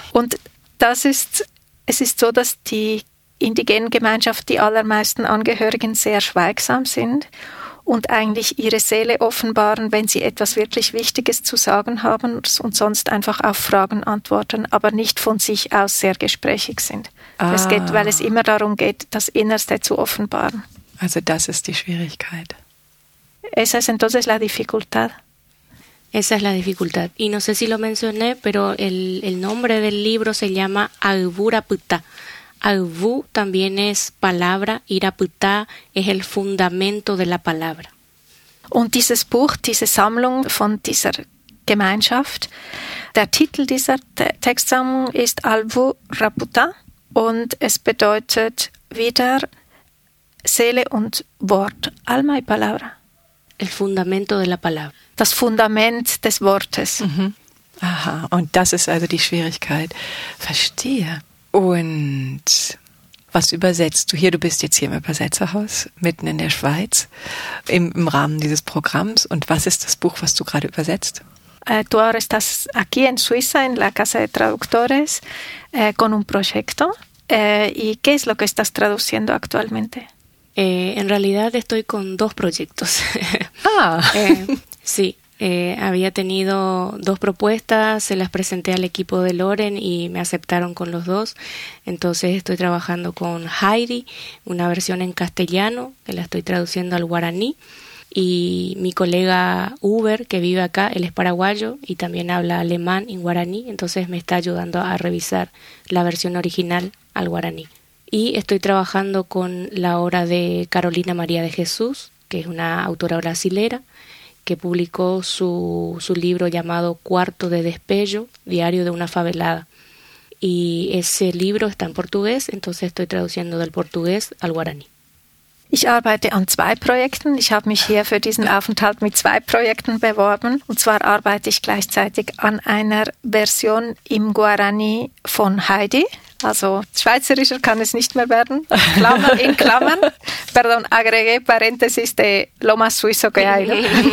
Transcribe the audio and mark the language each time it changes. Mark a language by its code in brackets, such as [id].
[de] Und es ist so, dass die indigenen Gemeinschaft, die allermeisten Angehörigen, sehr schweigsam sind und eigentlich ihre Seele offenbaren, wenn sie etwas wirklich Wichtiges zu sagen haben und sonst einfach auf Fragen antworten, aber nicht von sich aus sehr gesprächig sind. Ah. Es geht, weil es immer darum geht, das Innerste zu offenbaren. Also das ist die Schwierigkeit. [es] Esa es entonces la dificultad. Esa es la dificultad. Y no sé si lo mencioné, pero el nombre del libro se llama Agvuraputa. Agvu también es palabra, Iraputa es el fundamento de la palabra. [de] Und dieses Buch, diese Sammlung von dieser Gemeinschaft, der Titel dieser Textsammlung ist Agvuraputa und es bedeutet wieder Seele und Wort, [es] Alma y Palabra. El fundamento de la palabra. [de] Das Fundament des Wortes. Mhm. Aha, und das ist also die Schwierigkeit. Verstehe. Und was übersetzt du hier? Du bist jetzt hier im Übersetzerhaus, mitten in der Schweiz, im Rahmen dieses Programms. Und was ist das Buch, was du gerade übersetzt? [es] Du estás aquí en Suiza, en la Casa de Traductores, con un proyecto. ¿Y qué es lo que estás traduciendo actualmente? En realidad estoy con dos proyectos. Había tenido dos propuestas, se las presenté al equipo de Loren y me aceptaron con los dos. Entonces estoy trabajando con Heidi, una versión en castellano, que la estoy traduciendo al guaraní. Y mi colega Uber, que vive acá, él es paraguayo y también habla alemán y guaraní. Entonces me está ayudando a revisar la versión original al guaraní. Y estoy trabajando con la obra de Carolina María de Jesús, que es una autora brasilera, que publicó su libro llamado Cuarto de Despello, Diario de una Favelada. Y ese libro está en portugués, entonces estoy traduciendo del portugués al guaraní. [de] Ich arbeite an zwei Projekten. Ich habe mich hier für diesen Aufenthalt mit zwei Projekten beworben. Und zwar arbeite ich gleichzeitig an einer Version im Guarani von Heidi. Also schweizerischer kann es nicht mehr werden. Klammer in Klammern. [es] Pardon, agregué paréntesis de Loma Suizo Geil.